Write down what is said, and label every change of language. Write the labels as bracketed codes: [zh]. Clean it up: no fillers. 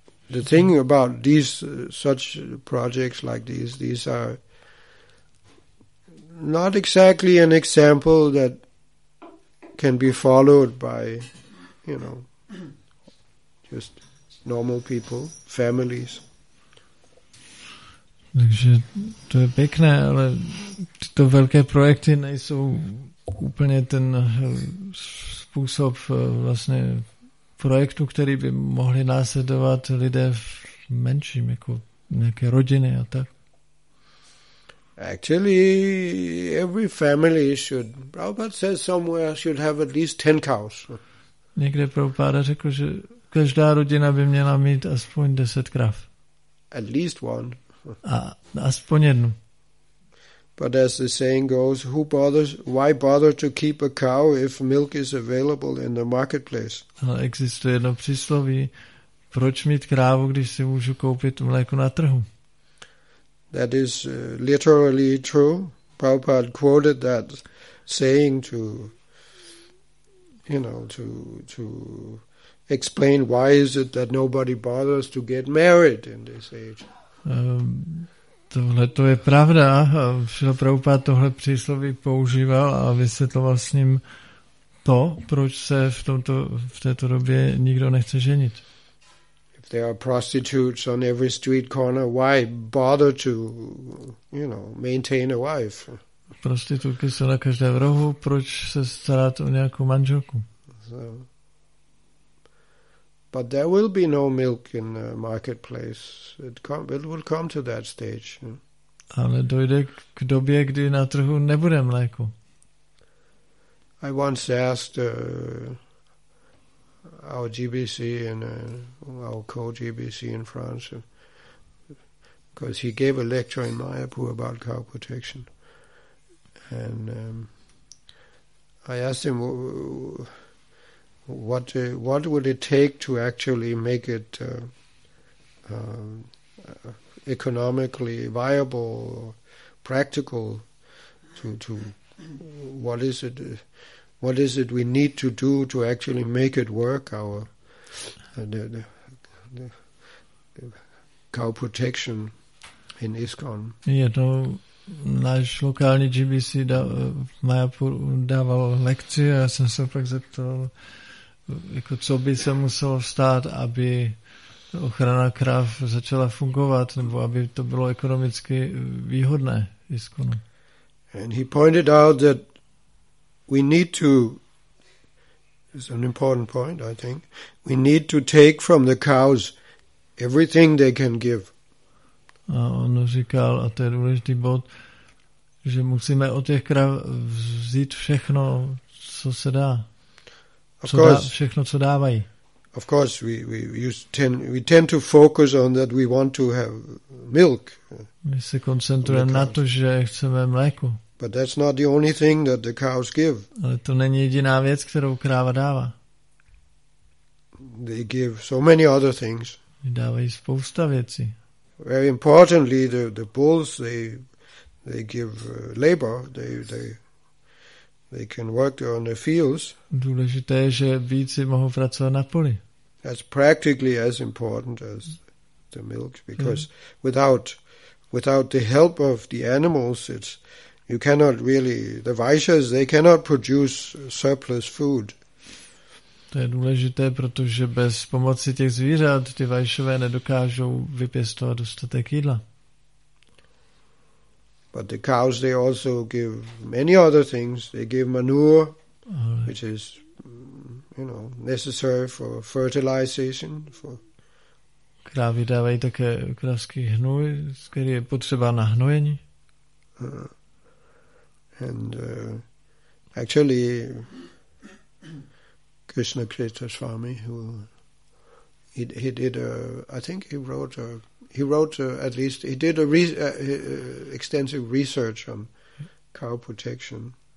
[en] The thing about these such projects like these are not exactly an example that can be followed by, you know, just normal people, families. [cs] Takže to je pěkné, ale tyto velké projekty nejsou úplně ten způsob vlastně projektu, který by mohli následovat lidé v menším, jako nějaké rodiny a tak. [en] Actually, every family should, Prabhupada says somewhere, should have at least 10 cows. [cs] Někde Prabhupada řekl, že každá rodina by měla mít aspoň 10 krav. [en] At least one. [cs] A aspoň jednu. [en] But as the saying goes, who bothers, why bother to keep a cow if milk is available in the marketplace? [cs] Ale existuje jedno přísloví, proč mít krávu, když si můžu koupit mléko na trhu? [en] That is literally true. Prabhupada quoted that saying to, you know, to explain why is it that nobody bothers to get married in this age. [cs] Tohle to je pravda. Šila Prabhupada tohle přísloví používal a vysvětloval s ním to, proč se v této době nikdo nechce ženit. [en] If there are prostitutes on every street corner, why bother to, you know, maintain a wife? [cs] Prostitutky jsou na každém rohu, proč se starat o nějakou manželku? [en] So, but there will be no milk in the marketplace. It will come to that stage. [cs] Ale dojde k době, kdy na trhu nebude mléko. [en] I once asked our GBC and our co-GBC in France, because he gave a lecture in Mayapur about cow protection. And I asked him, what would it take to actually make it economically viable, practical, to what is it? What is it we need to do to actually make it work, our the cow protection in ISKCON? [cs] Jednou náš lokální GBC v Mayapuru dával lekci a já jsem se pak zeptal, jako co by se muselo stát, aby ochrana krav začala fungovat nebo aby to bylo ekonomicky výhodné ISKCON. [en] And he pointed out that we need to, it's an important point, I think, we need to take from the cows everything they can give. [cs] A on říkal, a to je důležitý bod, že musíme od těch krav vzít všechno, co se dá. Všechno, co dávají. [en] Of course, we tend to focus on that we want to have milk. [cs] My se koncentrujeme na to, že chceme mléko. [en] But that's not the only thing that the cows give. [cs] Ale to není jediná věc, kterou kráva dává. [en] They give so many other things. [cs] Dávají spousta věcí. [en] Very importantly, the bulls, they give labor. They can work on the fields. [cs] Důležité je, že býci mohou pracovat na poli. [en] That's practically as important as the milk, because without the help of the animals, it's you cannot really, the Vaishyas, they cannot produce surplus food. [cs] To je důležité, protože bez pomoci těch zvířat ty Vaishyové nedokážou vypěstovat dostatek jídla. [en] But the cows, they also give many other things. They give manure. which is, you know, necessary for fertilization, for [cs] krávy dávají také krávský hnůj, který je potřeba na hnojení. [en] And actually Krishna Krishna Swami, who he did a, I think he wrote a, he wrote a, at least he did a extensive research on cow protection.